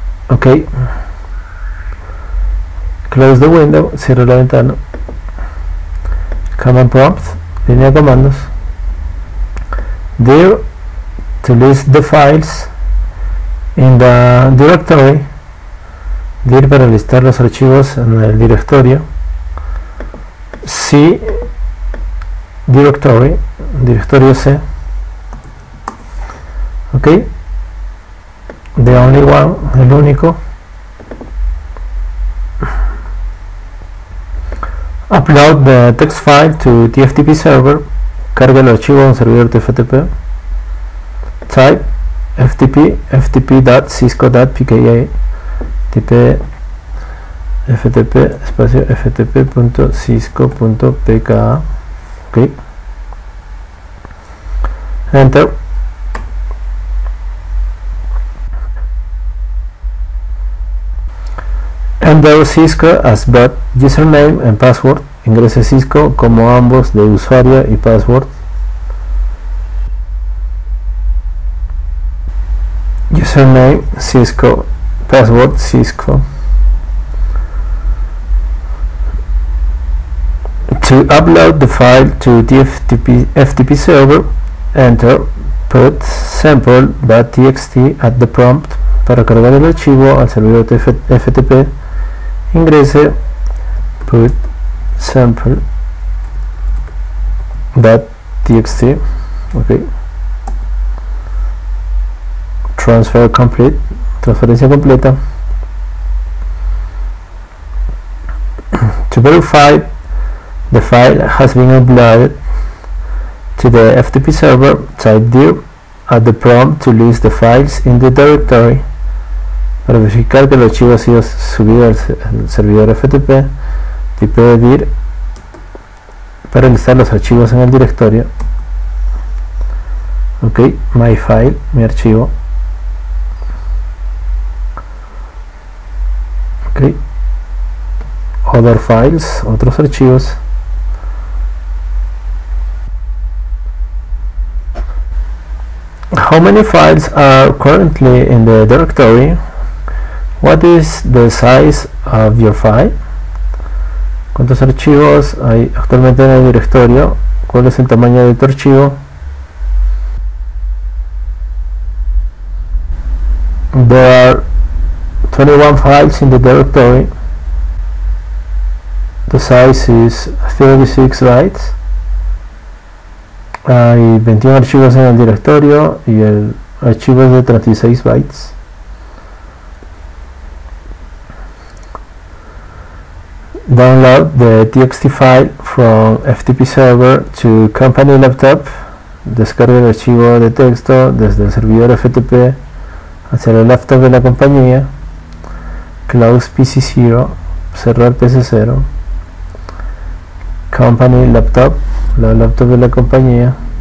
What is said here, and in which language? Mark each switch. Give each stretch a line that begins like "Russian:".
English: Okay. Close the window,
Spanish: cierro la ventana.
English: Command prompt,
Spanish: línea de comandos.
English: Dir, to list the files in the directory.
Spanish: Dir para listar los archivos en el directorio.
English: C, directory, directorio C. Ok. The only one,
Spanish: el único.
English: Upload the text file to TFTP server.
Spanish: Carga el archivo a un servidor de FTP.
English: Type FTP, ftp.cisco.pka. Type FTP, espacio ftp.cisco.pka. Okay. Enter. Enter Cisco as both username and password.
Spanish: Ingrese Cisco como ambos de usuario y password.
English: Username Cisco, password Cisco. To upload the file to the FTP server, enter put sample.txt at the prompt.
Spanish: Para cargar el archivo al servidor de FTP, ingrese put sample.txt.
English: Okay. Transfer complete,
Spanish: transferencia completa.
English: To verify the file has been uploaded to the FTP server, type dir at the prompt to list the files in the directory.
Spanish: Para verificar que el archivo ha sido subido al servidor FTP, tipo de dir para listar los archivos en el directorio.
English: Ok, my file,
Spanish: mi archivo.
English: Ok, other files,
Spanish: otros archivos.
English: How many files are currently in the directory? What is the size of your file?
Spanish: ¿Cuántos archivos hay actualmente en el directorio? ¿Cuál es el tamaño de tu archivo?
English: There are 21 files in the directory. The size is 36 bytes.
Spanish: Hay 21 archivos en el directorio y el archivo es de 36 bytes.
English: Download the TXT file from FTP server to company laptop.
Spanish: Descargue el archivo de texto desde el servidor FTP hacia el laptop de la compañía.
English: Close PC 0,
Spanish: cerrar PC 0.
English: Company laptop,
Spanish: la laptop de la compañía.